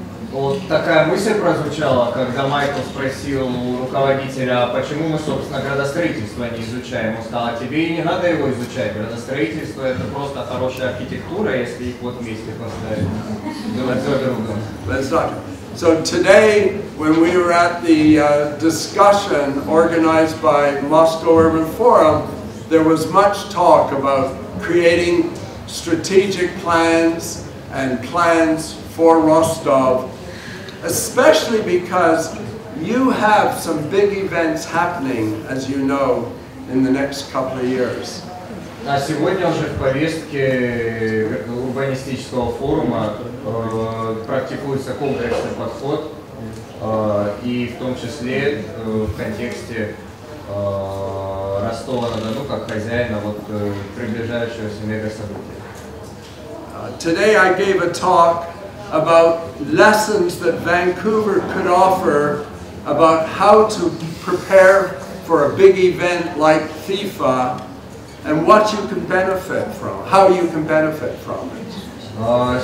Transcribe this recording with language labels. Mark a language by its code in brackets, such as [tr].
[ru] Вот такая мысль прозвучала, когда Майкл спросил у руководителя, почему мы, собственно, градостроительство не изучаем. Он сказал, тебе и не надо его изучать. Градостроительство – это просто хорошая архитектура, если их вот вместе поставить друг друга. [en] Let's talk. So today, when we were at the discussion organized by Moscow Urban Forum, there was much talk about creating strategic plans and plans for Rostov, especially because you have some big events happening, as you know, in the next couple of years. [ru] А сегодня уже в повестке урбанистического форума практикуется комплексный подход, и в том числе в контексте Ростова-на-Дону как хозяина вот приближающегося мегасобытия. [en] Today I gave a talk about lessons that Vancouver could offer about how to prepare for a big event like FIFA and what you can benefit from, how you can benefit from it.